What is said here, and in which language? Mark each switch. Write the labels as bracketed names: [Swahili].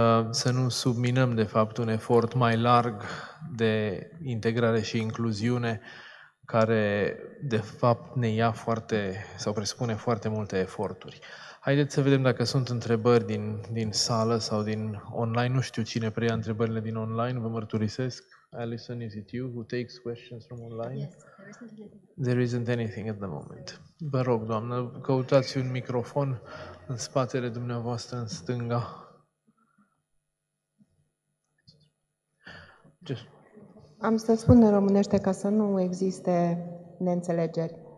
[Romanian] să nu subminăm, de fapt, un efort mai larg de integrare și incluziune, care, de fapt, ne ia foarte, sau presupune foarte multe eforturi. Haideți să vedem dacă sunt întrebări din sală sau din online. Nu știu cine preia întrebările din online, vă mărturisesc. [English] Alison, is it you who takes questions from online? Yes. There isn't anything at the moment. [Romanian] Vă rog, doamnă, căutați un microfon în spatele dumneavoastră, în stânga. [English] Just. [Romanian] Am să spun în românește ca să nu existe neînțelegeri.